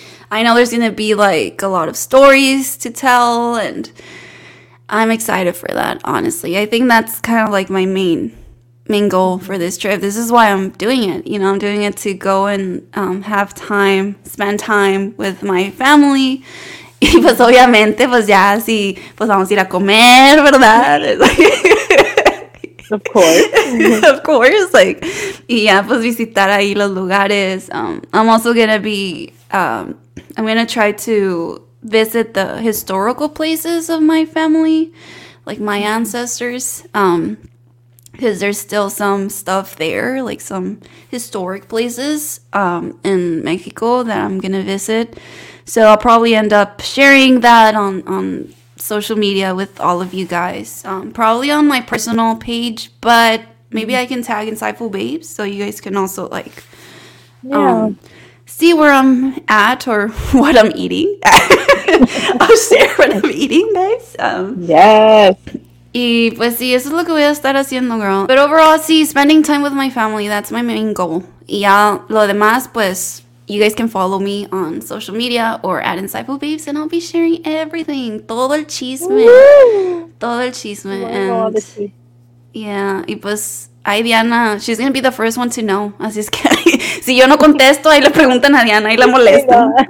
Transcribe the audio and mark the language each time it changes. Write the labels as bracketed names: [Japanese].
[English] I know there's gonna be, like, a lot of stories to tell, and I'm excited for that, honestly. I think that's kind of, like, my main goal for this trip. This is why I'm doing it. You know, I'm doing it to go and have time, spend time with my family. [Spanish] Y pues, obviamente, pues, ya, sí, pues, vamos a ir a comer, ¿verdad? [English] Of course. Of course, like, [Spanish] y ya, pues, visitar ahí los lugares. [English] I'm also going to be, I'm going to try to visit the historical places of my family, like my ancestors, because there's still some stuff there, like some historic places in Mexico that I'm gonna visit. So I'll probably end up sharing that on social media with all of you guys, probably on my personal page, but maybe I can tag Insightful Babes so you guys can also, like, yeah, see where I'm at or what I'm eating. I'll share what I'm eating, guys. Yes. [Spanish] Y pues sí, eso es lo que voy a estar haciendo, girl. [English] But overall, sí, spending time with my family, that's my main goal. [Spanish] Y ya lo demás, pues, [English] you guys can follow me on social media or at Insightful Babes, and I'll be sharing everything. [Spanish] Todo el chisme. Woo! Todo el chisme. [English] Oh, and yeah, [Spanish] y pues, ay, [English] Diana, she's going to be the first one to know. [Spanish] Así es que, si yo no contesto, ahí le preguntan a Diana y la molestan.